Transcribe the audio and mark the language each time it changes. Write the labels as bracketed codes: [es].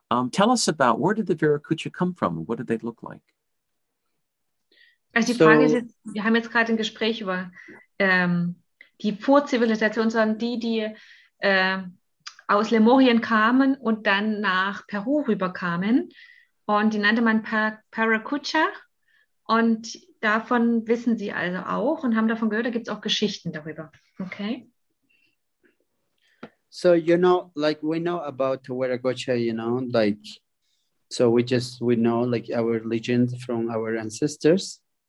[en] Tell us about where did the Viracocha come from? What did they look like? [de] Also die Frage ist, wir haben jetzt gerade ein Gespräch über die Vorzivilisation, sondern die aus Lemurien kamen und dann nach Peru rüberkamen. Und die nannte man Paracucha. Und davon wissen sie also auch und haben davon gehört, da gibt es auch Geschichten darüber. [en] Okay. So, you know, like we know about Viracocha, you know, like, so we know like our legends from our ancestors.